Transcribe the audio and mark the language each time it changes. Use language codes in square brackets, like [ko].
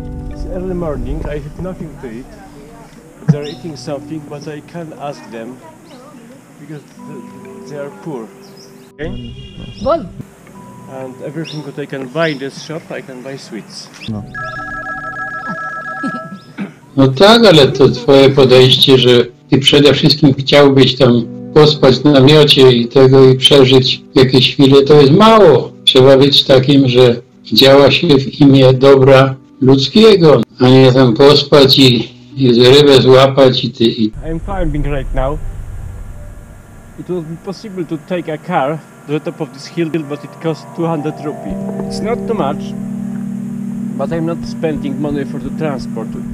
[en] It's early morning, I have nothing to eat. They're eating something, but I can't ask them because they are poor. Okay? Well. And everything that I can buy in this shop, I can buy sweets. [pl] No tak, ale to twoje podejście, że ty przede wszystkim chciałbyś tam pospać na namiocie i tego i przeżyć jakieś chwile, to jest mało. Trzeba być takim, że działa się w imię dobra ludzkiego, a nie tam pospać i rybę złapać i ty. [en] I'm climbing right now. It will be possible to take a car to the top of this hill, but it costs 200 rupees. It's not too much, but I'm not spending money for the transport.